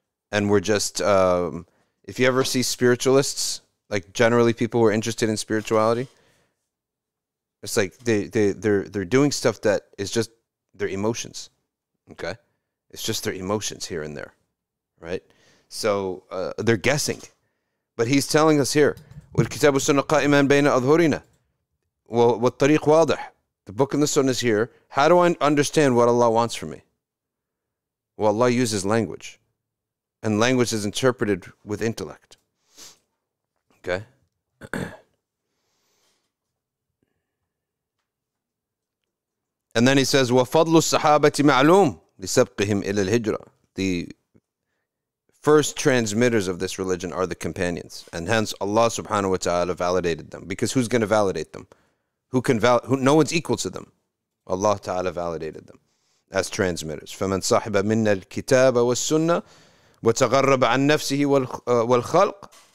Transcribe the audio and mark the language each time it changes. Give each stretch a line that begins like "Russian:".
English: And we're just, if you ever see spiritualists, like generally people who are interested in spirituality, it's like they're doing stuff that is just their emotions, okay? It's just their emotions here and there, right? So they're guessing.
Arabic: But he's telling us here, والكتاب والسنة قائمان بين أظهرنا والطريق واضح.
English: The book and the sunnah is here. How do I understand what Allah wants from me? Well, Allah uses language. And language is interpreted with intellect. Okay?
Arabic: And then he says, وَفَضْلُ السَّحَابَةِ مَعْلُومٌ لِسَبْقِهِمْ إِلَى الْهِجْرَةِ.
English: The first transmitters of this religion are the companions. And hence, Allah subhanahu wa ta'ala validated them. Because who's going to validate them? No one's equal to them. Allah ta'ala validated them as transmitters.
Arabic: فَمَنْ صَحِبَ مِنَّا الْكِتَابَ وَالسُّنَّةِ وَتَغَرَّبَ عَنْ نَفْسِهِ وَالْخَلْقِ.